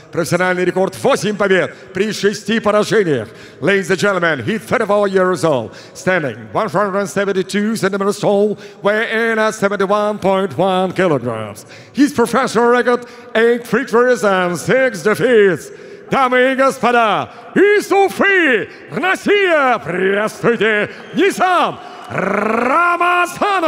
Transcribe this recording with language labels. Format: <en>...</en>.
<ru>Профессиональный рекорд 8 побед при 6 поражениях.</ru> <en>Ladies and gentlemen, he's 34 years old. Standing 172 centimeters tall, weighing at 71.1 kilograms. His professional record 8 victories and 6 defeats.</en> <ru>Дамы и господа, из Уфы, Россия, приветствуйте Ниссан Рамазанов!</ru>